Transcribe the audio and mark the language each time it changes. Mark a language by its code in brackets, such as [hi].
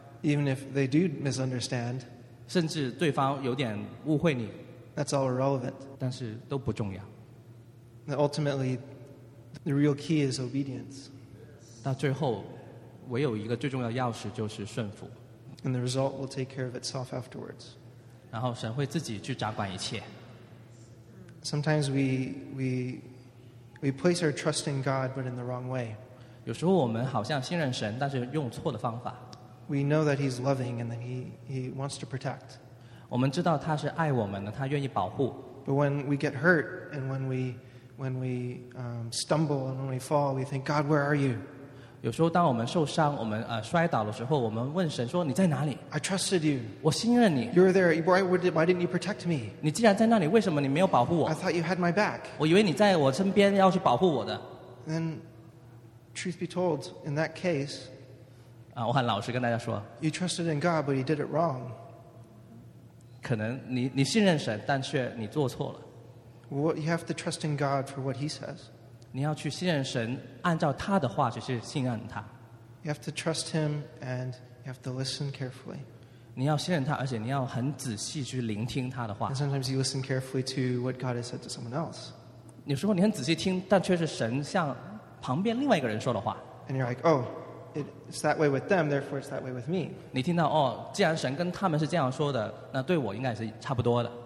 [en] even if they do misunderstand, [zh] 甚至对方有点误会你， [en] that's all irrelevant. [zh] 但是都不重要。 [en] Ultimately, The real key is obedience. [zh] 到最后, 唯有一个最重要的钥匙就是顺服。 [en] And the result will take care of itself afterwards. [zh] 然后神会自己去掌管一切。 [en] Sometimes we place our trust in God, but in the wrong way. [zh] 有时候我们好像信任神, 但是用错的方法。 [en] We know that He's loving and that He wants to protect. [zh] 我们知道他是爱我们的, 他愿意保护。 [en] But when we get hurt and when we stumble and when we fall, we think, God, where are you? [zh] 有时候当我们受伤,我们, 摔倒的时候, 我们问神说, 你在哪里? [en] I trusted you. [zh] 我信任你。 [en] You're there. Why didn't you protect me? [zh] 你既然在那里, 为什么你没有保护我? [en] I thought you had my back. [zh] 我以为你在我身边要去保护我的。 [en] Then, truth be told, in that case, [zh] 啊, 我很老实跟大家说, [en] you trusted in God, but you did it wrong. [zh] 可能你信任神, 但却你做错了。 [en] What, you have to trust in God for what He says. [zh] 你要去信任神, 按照他的话去信任他。 [en] You have to trust Him and you have to listen carefully. [zh] 你要信任他, 而且你要很仔细去聆听他的话。 [en] And sometimes you listen carefully to what God has said to someone else. [zh] 有时候你很仔细听, 但却是神向旁边另外一个人说的话。 [en] And you're like, oh, it's that way with them, therefore it's that way with me. [zh] 你听到, 哦, 既然神跟他们是这样说的, 那对我应该是差不多的。